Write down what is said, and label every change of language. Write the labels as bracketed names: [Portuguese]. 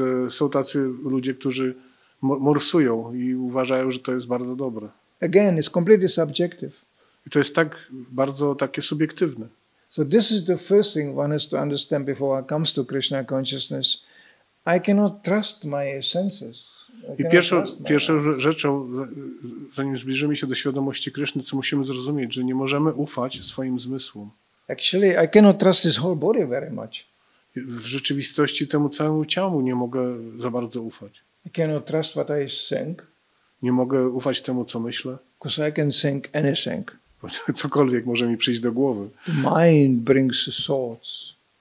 [Polish] Są tacy ludzie, którzy morsują i uważają, że to jest bardzo dobre. [English] Again, it's completely subjective. [Polish] I to jest tak bardzo takie subiektywne. [English] So this is the first thing one has to understand before one comes to Krishna consciousness. I cannot trust my senses. [Polish] I pierwszą rzeczą, zanim zbliżymy się do świadomości Kryszny, co musimy zrozumieć, że nie możemy ufać swoim zmysłom. [English] Actually, I cannot trust this whole body very much. [Polish] W rzeczywistości temu całemu ciału nie mogę za bardzo ufać. [English] I cannot trust what I think. [Polish] Nie mogę ufać temu, co myślę. [English] Because I can think anything. [Polish] Bo cokolwiek może mi przyjść do głowy. [English] The mind brings thoughts.